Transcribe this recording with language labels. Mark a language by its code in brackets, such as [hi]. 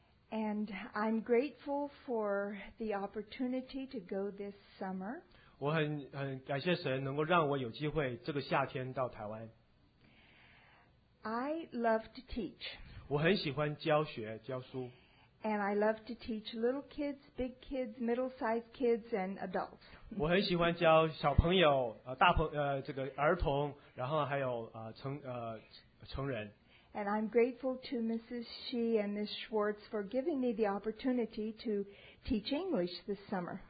[en] And I'm grateful for the opportunity to go this summer. [zh] 我很感谢神能够让我有机会这个夏天到台湾。 [en] I love to teach. [zh] 我很喜欢教学教书。 [en] And I love to teach little kids, big kids, middle-sized kids, and adults. [zh] 我很喜欢教小朋友，大朋这个儿童，然后还有成人。 [en] And I'm grateful to Mrs. Shi and Ms. Schwartz for giving me the opportunity to teach English this summer.